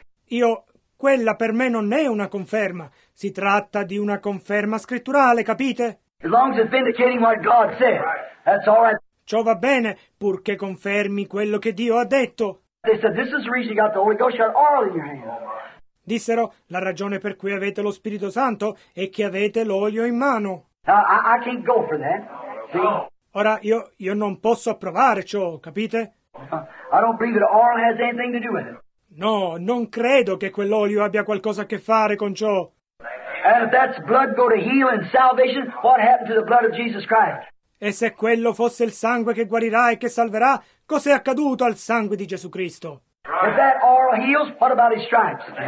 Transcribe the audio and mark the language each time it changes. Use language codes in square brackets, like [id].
[it] Io, quella per me non è una conferma, si tratta di una conferma scritturale, capite? [en] As long as it's vindicating what God said, that's all right. [it] Ciò va bene, purché confermi quello che Dio ha detto. [en] They said, this is the reason you got the Holy Ghost, you got oil in your hand. [it] Dissero, la ragione per cui avete lo Spirito Santo è che avete l'olio in mano. [en] I can't go for that. See? [it] Ora, io non posso approvare ciò, capite? [en] I don't believe that oil has anything to do with it. [it] No, non credo che quell'olio abbia qualcosa a che fare con ciò. [en] And if that's blood go to heal and salvation, what happened to the blood of Jesus Christ? [it] E se quello fosse il sangue che guarirà e che salverà, cos'è accaduto al sangue di Gesù Cristo? [en] If that oil heals, what about his stripes?